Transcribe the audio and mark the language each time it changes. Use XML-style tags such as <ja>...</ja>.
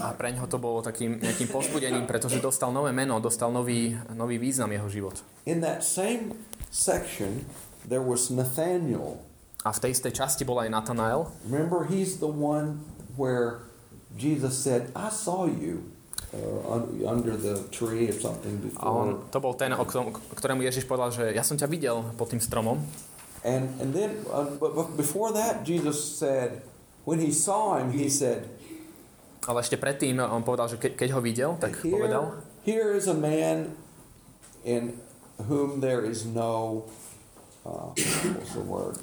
<sk>A pre neho to bolo takým nejakým povzbudením, pretože dostal nové meno, dostal nový význam jeho život.</sk> <en>In that same section there was Nathaniel.</en> <sk>A v tej istej časti bol aj Nathanael.</sk> <en>Remember, he's the one where Jesus said, "I saw you under the tree or something before."</en> <sk>A on, to bol ten, ktorému Ježiš povedal, že ja som ťa videl pod tým stromom.</sk> <en>And then before that Jesus said, when he saw him, he said,</en> <sk>ale ešte predtým on povedal, že keď ho videl, tak</sk> <en>here,</en> <sk>povedal,</sk> <en>here is a man in whom there is no what's the word?</en>